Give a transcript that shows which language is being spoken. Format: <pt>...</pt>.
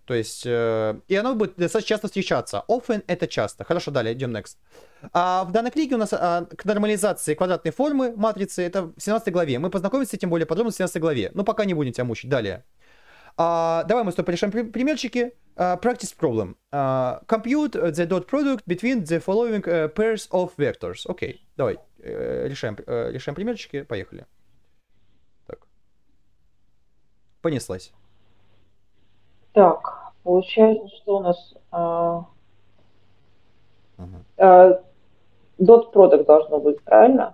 <ru>То есть, и оно будет достаточно часто встречаться. Often — это часто. Хорошо, далее, идем next. В данной книге у нас к нормализации квадратной формы матрицы, это в 17 главе. Мы познакомимся с этим более подробно в 17 главе. Но пока не будем тебя мучить. Далее. Давай мы с тобой решим примерчики.</ru> <en>Practice problem. Compute the dot product between the following pairs of vectors.</en> <ru>Окей, давай, решаем примерчики, поехали. Так. Понеслась. Так, получается, что у нас dot product должно быть, правильно?</ru>